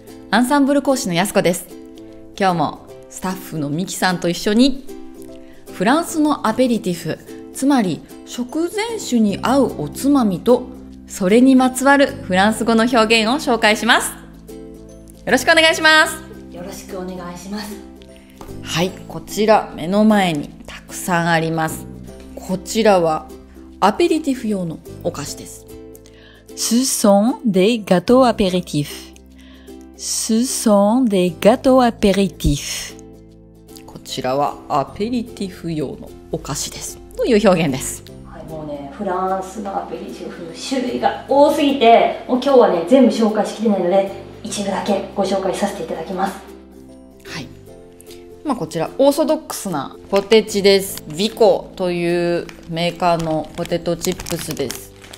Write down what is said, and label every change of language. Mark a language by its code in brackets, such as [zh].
[ja] アンサンブル講師のやすこです。今日もスタッフのみきさんと一緒にフランスのアペリティフ、つまり食前酒に合うおつまみとそれにまつわるフランス語の表現を紹介します。よろしくお願いします。よろしくお願いします。はい、こちら目の前にたくさんあります。こちらはアペリティフ用のお菓子です。 [fr] Ce sont des gâteaux apéritifs. Ce sont des gâteaux apéritifs. [ja] こちらはアペリティフ用のお菓子ですという表現です。はい、もうね、フランスのアペリティフ種類が多すぎて、もう今日はね全部紹介しきれないので一部だけご紹介させていただきます。はい。まあこちらオーソドックスなポテチです。ビコというメーカーのポテトチップスです。